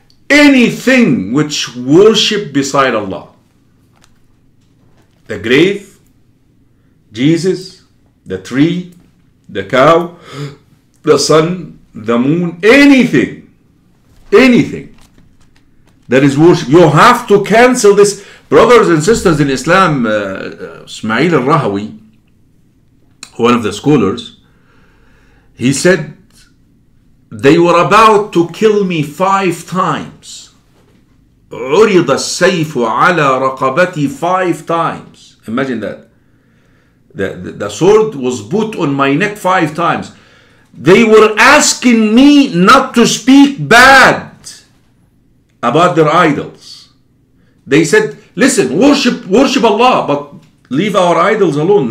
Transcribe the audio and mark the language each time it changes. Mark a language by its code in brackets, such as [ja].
[en] Anything which worship beside Allah. The grave, Jesus, the tree, the cow, the sun, the moon, anything that is worship. You have to cancel this. Brothers and sisters in Islam, Ismail al-Rahawi, one of the scholars, he said, they were about to kill me five times. [ar] عرض السيف على رقبتي [en] five times. Imagine that. The sword was put on my neck five times. They were asking me not to speak bad about their idols. They said, listen, worship Allah, but leave our idols alone.